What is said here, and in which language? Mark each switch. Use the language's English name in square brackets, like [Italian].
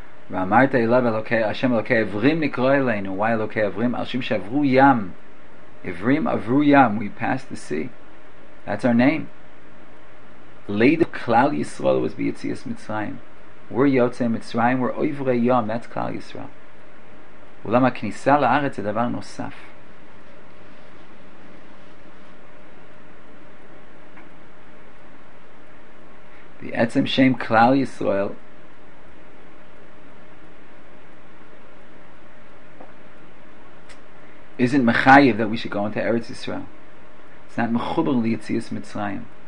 [Hebrew] Ramarta Elav Elokei Hashem Elokei Ivrim Nikro Eleinu. [English] Why [Hebrew] Elokei Ivrim? Al Shim Shavru Yam. Ivrim Avru Yam. [English] We passed the sea. That's our name. Later Klal Yisrael was Yitzias Mitzrayim. We're Yotzei Mitzrayim. We're Ivre Yam. That's Klal Yisrael. [Hebrew] אולם הכניסה לארץ זה דבר נוסף. בעצם שם כלל ישראל [English] isn't מחייב that we should go into Eretz Yisrael. It's not [Hebrew] מחובר ליציאס מצרים.